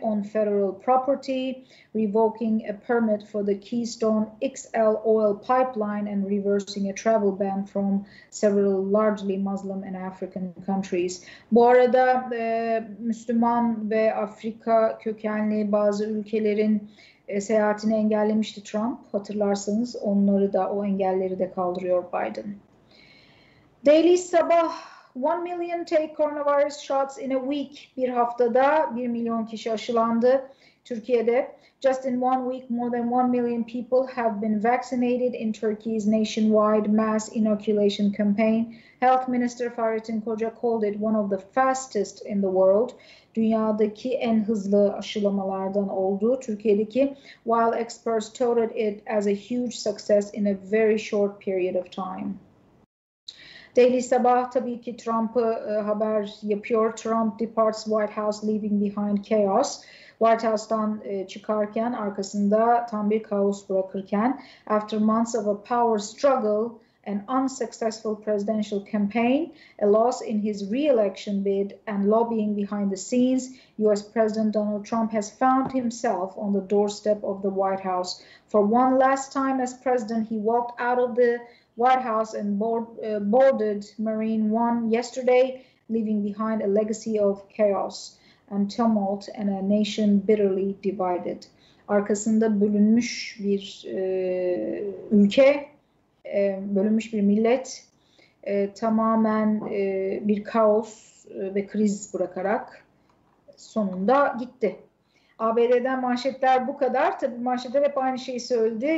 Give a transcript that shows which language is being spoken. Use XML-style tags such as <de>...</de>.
<en>On federal property, revoking a permit for the Keystone XL oil pipeline and reversing a travel ban from several largely Muslim and African countries.</en> <tr>Bu arada Müslüman ve Afrika kökenli bazı ülkelerin seyahatini engellemişti Trump. Hatırlarsanız onları da, o engelleri de kaldırıyor Biden.</tr> <en>Daily Sabah. 1 million take coronavirus shots in a week.</en> <tr>Bir haftada 1 milyon kişi aşılandı Türkiye'de.</tr> <en>Just in one week, more than 1 million people have been vaccinated in Turkey's nationwide mass inoculation campaign. Health Minister Fahrettin Koca called it one of the fastest in the world.</en> <tr>Dünyadaki en hızlı aşılamalardan oldu Türkiye'deki.</tr> <en>While experts touted it as a huge success in a very short period of time.</en> <tr>Daily Sabah tabii ki Trump'ı haber yapıyor.</tr> <en>Trump departs White House leaving behind chaos.</en> <tr>White House'dan çıkarken, arkasında tam bir kaos bırakırken.</tr> <en>After months of a power struggle, an unsuccessful presidential campaign, a loss in his re-election bid, and lobbying behind the scenes, U.S. President Donald Trump has found himself on the doorstep of the White House. For one last time as president, he walked out of the White House and boarded Marine One yesterday, leaving behind a legacy of chaos and tumult and a nation bitterly divided.</en> <tr>Arkasında bölünmüş bir ülke, bölünmüş bir millet, tamamen bir kaos ve kriz bırakarak sonunda gitti. ABD'den manşetler bu kadar. Tabii manşetler hep aynı şeyi söyledi.</tr>